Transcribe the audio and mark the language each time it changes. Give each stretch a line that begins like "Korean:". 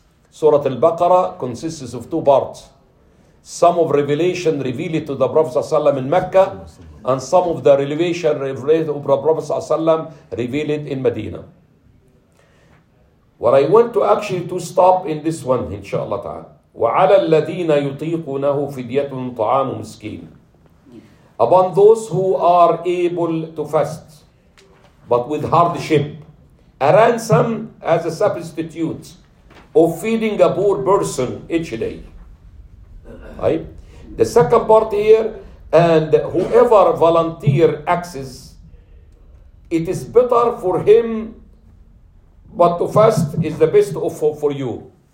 English: Surah Al-Baqarah consists of two parts. Some of revelation revealed to the Prophet ﷺ in Mecca, and some of the revelation revealed to the Prophet ﷺ revealed in Medina. What I want to actually to stop in this one, inshallah ta'ala.
Arabic: وعلى الذين يطيقونه فدية طعام مسكين.
English: Upon those who are able to fast, but with hardship, a ransom as a substitute of feeding a poor person each day. Right? The second part here, and whoever volunteer access, it is better for him, but to fast is the best for you.